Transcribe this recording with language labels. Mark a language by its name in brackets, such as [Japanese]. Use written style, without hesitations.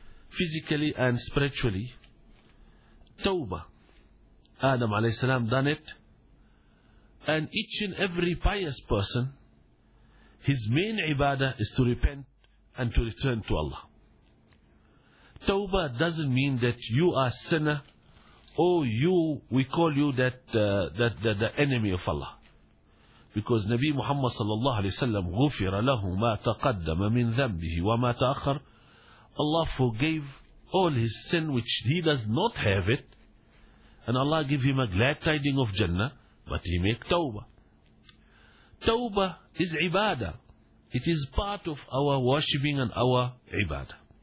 [English] Physically and spiritually, tawbah, Adam alayhi salam done it, and each and every pious person, his main ibadah is to repent and to return to Allah. Tawbah doesn't mean that you are a sinner, or we call you the enemy of Allah. Because Nabi Muhammad sallallahu alayhi wa sallam, [Arabic] غُفِرَ لَهُ مَا تَقَدَّمَ مِنْ ذَنْبِهِ وَمَا تَأْخَرَ. [English] Allah forgave all his sin which he does not have it, and Allah give him a glad tiding of Jannah, but he make tawbah. Tawbah is ibadah. It is part of our worshipping and our ibadah.